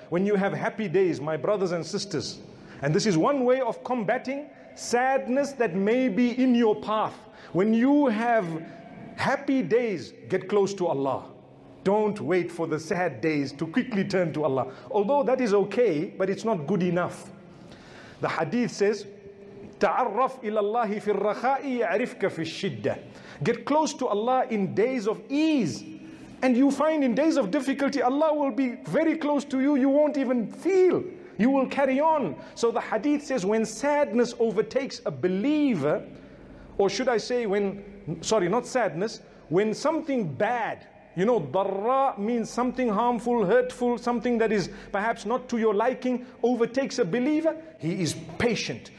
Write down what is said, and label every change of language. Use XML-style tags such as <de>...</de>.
<en>When you have happy days, my brothers and sisters, and this is one way of combating sadness that may be in your path. When you have happy days, get close to Allah. Don't wait for the sad days to quickly turn to Allah. Although that is okay, but it's not good enough. The hadith says,</en> <ar>تعرف إلى الله في الرخاء يعرفك في الشدة.</ar> <en>Get close to Allah in days of ease. And you find in days of difficulty, Allah will be very close to you. You won't even feel. You will carry on. So the hadith says, when sadness overtakes a believer, or should I say when something bad, you know, darra means something harmful, hurtful, something that is perhaps not to your liking, overtakes a believer, he is patient.</en>